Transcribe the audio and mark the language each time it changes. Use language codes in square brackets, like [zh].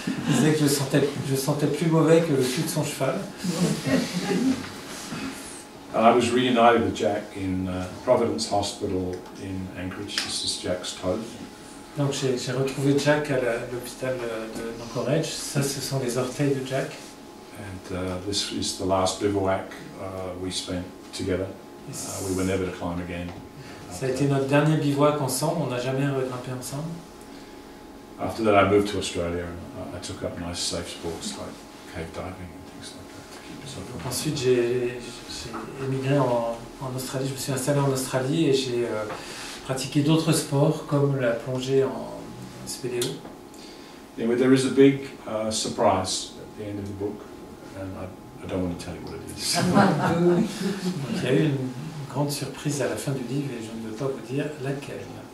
[fr] Il disait que je sentais plus mauvais que le cul de son cheval. [en] And I was reunited with Jack in Providence Hospital in Anchorage. This is Jack's toe. [fr] Donc j'ai retrouvé Jack à l'hôpital d'Anchorage. Ça, ce sont les orteils de Jack. [en] And this is the last bivouac we spent together. We were never to climb again. [fr] Ça a été notre dernier bivouac ensemble. On n'a jamais regrimpé ensemble. [en] After that, I moved to Australia and I took up nice safe sports like cave diving and things like that. [fr] Donc ensuite, j'ai émigré en Australie. Je me suis installé en Australie et j'ai pratiqué d'autres sports comme la plongée en spéléo. [en] Anyway, there is a big surprise at the end of the book, and I don't want to tell you what it is. [fr] Il y a eu une grande surprise à la fin du livre et je ne veux pas vous dire laquelle.